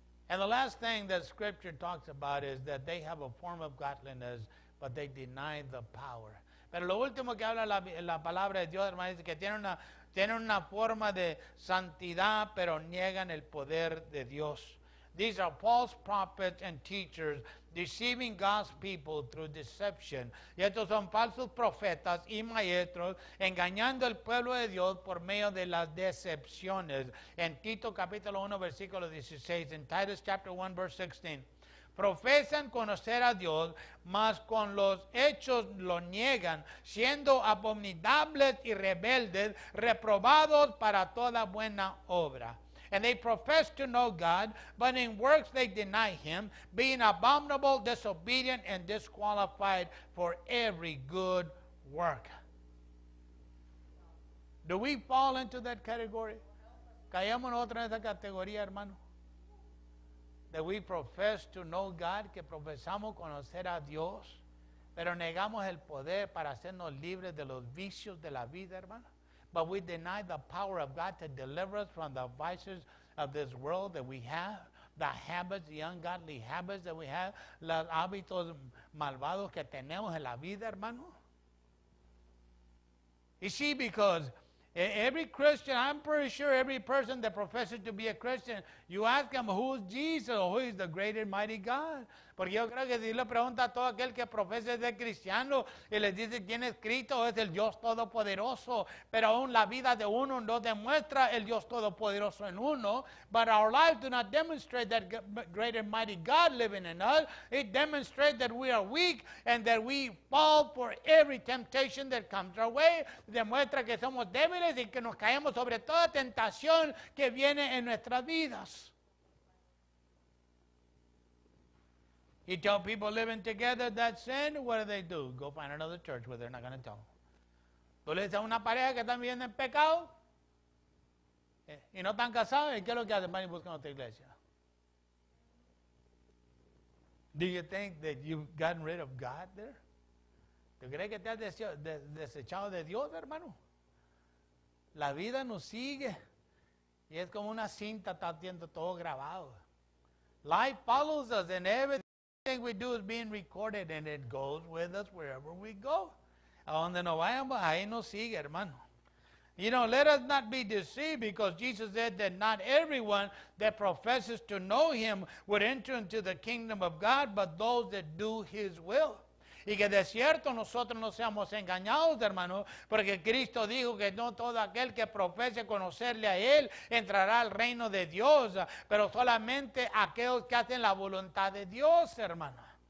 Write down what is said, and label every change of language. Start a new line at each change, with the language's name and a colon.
English: And the last thing that Scripture talks about is that they have a form of godliness, but they deny the power.
Spanish: Pero lo último que habla la palabra de Dios, hermano, es que tiene una forma de santidad, pero niegan el poder de Dios.
English: These are false prophets and teachers deceiving God's people through deception.
Spanish: Y estos son falsos profetas y maestros engañando al pueblo de Dios por medio de las decepciones. En Tito capítulo 1, versículo 16, en
English: Titus chapter 1, verse 16.
Spanish: Profesan conocer a Dios, mas con los hechos lo niegan, siendo abominables y rebeldes, reprobados para toda buena obra.
English: And they profess to know God, but in works they deny Him, being abominable, disobedient, and disqualified for every good work. Do we fall into that category?
Spanish: ¿Caemos nosotros en esa categoría, hermano?
English: That we profess to know God,
Spanish: que profesamos conocer a Dios, pero negamos el poder para hacernos libres de los vicios de la vida, hermano.
English: But we deny the power of God to deliver us from the vices of this world that we have, the habits, the ungodly habits that we have,
Spanish: los hábitos malvados que tenemos en la vida, hermano.
English: You see, because every Christian, I'm pretty sure every person that professes to be a Christian, you ask them, who is Jesus or who is the great and mighty God?
Spanish: Porque yo creo que si le pregunta a todo aquel que profese ser cristiano y les dice quién es Cristo, es el Dios Todopoderoso. Pero aún la vida de uno no demuestra el Dios Todopoderoso en uno.
English: But our lives do not demonstrate that great and mighty God living in us. It demonstrates that we are weak and that we fall for every temptation that comes our way.
Spanish: Demuestra que somos débiles y que nos caemos sobre toda tentación que viene en nuestras vidas.
English: You tell people living together that sin, what do? Go find another church where they're not going to tell.
Spanish: Tú le dices a una pareja que están viviendo en pecado y no están casados, ¿y qué es lo que hacen? Van y buscan otra iglesia.
English: Do you think that you've gotten rid of God there?
Spanish: ¿Tú crees que te has desechado de Dios, hermano? La vida nos sigue y es como una cinta, está viendo todo grabado.
English: Life follows us in everything. Thing we do is being recorded and it goes with us wherever we go.
Spanish: A donde nos vayamos, ahí nos sigue, hermano.
English: You know, let us not be deceived, because Jesus said that not everyone that professes to know him would enter into the kingdom of God, but those that do his will.
Spanish: Y que de cierto nosotros no seamos engañados, hermano, porque Cristo dijo que no todo aquel que profese conocerle a él entrará al reino de Dios, pero solamente aquellos que hacen la voluntad de Dios, hermano.